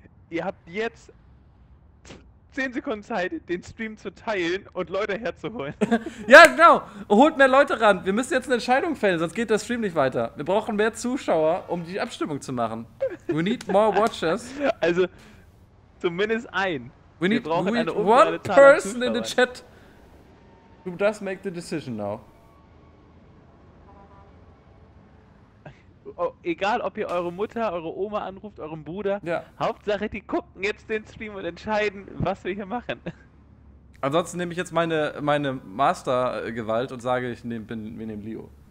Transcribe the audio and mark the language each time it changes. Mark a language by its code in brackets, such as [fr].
[de] Ihr habt jetzt 10 Sekunden Zeit, den Stream zu teilen und Leute herzuholen. Ja, genau. Holt mehr Leute ran. Wir müssen jetzt eine Entscheidung fällen, sonst geht der Stream nicht weiter. Wir brauchen mehr Zuschauer, um die Abstimmung zu machen. [en] We need more watchers. [de] Also, zumindest ein. [en] We need one person in the chat who does make the decision now. [de] Oh, egal, ob ihr eure Mutter, eure Oma anruft, euren Bruder. Ja. Hauptsache, die gucken jetzt den Stream und entscheiden, was wir hier machen. Ansonsten nehme ich jetzt meine Master-Gewalt und sage, wir nehmen Leo.